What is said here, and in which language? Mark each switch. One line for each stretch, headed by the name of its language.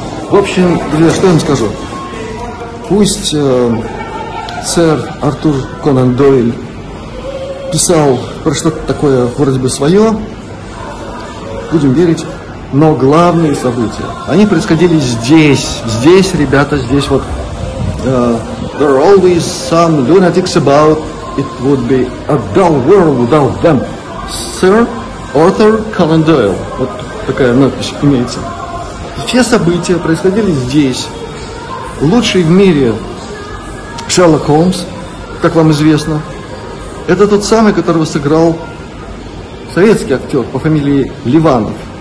Russian: В общем, друзья, что я вам скажу? Пусть сэр Артур Конан Дойль писал про что-то такое вроде бы свое, будем верить, но главные события, они происходили здесь, ребята, здесь вот.
English: There are always some lunatics about, it would be a dull world without them.
Russian: Sir Arthur Conan Doyle, вот такая надпись имеется. Все события происходили здесь. Лучший в мире Шерлок Холмс, как вам известно, это тот самый, которого сыграл советский актер по фамилии Ливанов.